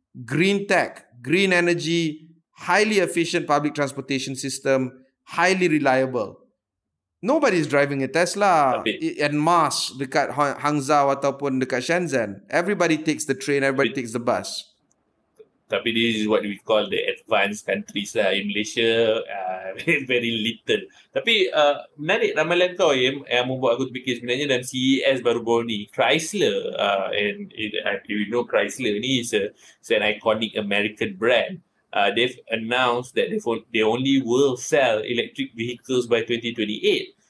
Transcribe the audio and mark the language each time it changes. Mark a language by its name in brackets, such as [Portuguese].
[English] Green tech, green energy, highly efficient public transportation system, highly reliable. Nobody's driving a Tesla en masse dekat Hangzhou [Malay] ataupun dekat [English] Shenzhen. Everybody takes the train, everybody takes the bus. Tapi this is what we call the advanced countries lah. In Malaysia, very little. [Malay] Tapi menarik ramalan kau yang membuat aku terfikir sebenarnya dalam CES baru-baru ni. [English] Chrysler, you know Chrysler ni is an iconic American brand. They've announced that they only will sell electric vehicles by 2028.